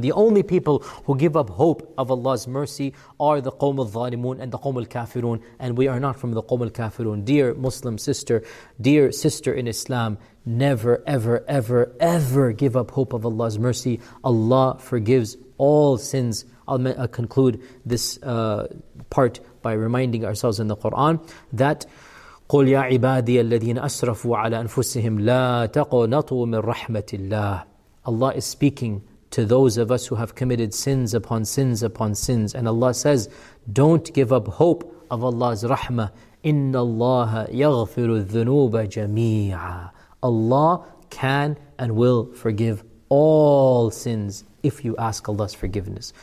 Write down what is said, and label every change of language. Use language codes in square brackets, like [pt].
[en] The only people who give up hope of Allah's mercy are the [ar] قَوْمُ الظَّالِمُونَ [en] and the [ar] قَوْمُ الْكَافِرُونَ, [en] and we are not from the قَوْمُ الْكَافِرُونَ. Dear Muslim sister, dear sister in Islam, never, ever, ever, ever give up hope of Allah's mercy. Allah forgives all sins. I'll conclude this part by reminding ourselves in the Quran that [ar] قُلْ يَا عِبَادِيَ الَّذِينَ أَسْرَفُوا عَلَىٰ أَنفُسِهِمْ لَا تَقْنَطُوا مِن رَحْمَةِ اللَّهِ. [en] Allah is speaking to those of us who have committed sins upon sins upon sins, and Allah says, don't give up hope of Allah's rahmah. [ar] إِنَّ اللَّهَ يَغْفِرُ الذُّنُوبَ جَمِيعًا. [en] Allah can and will forgive all sins if you ask Allah's forgiveness.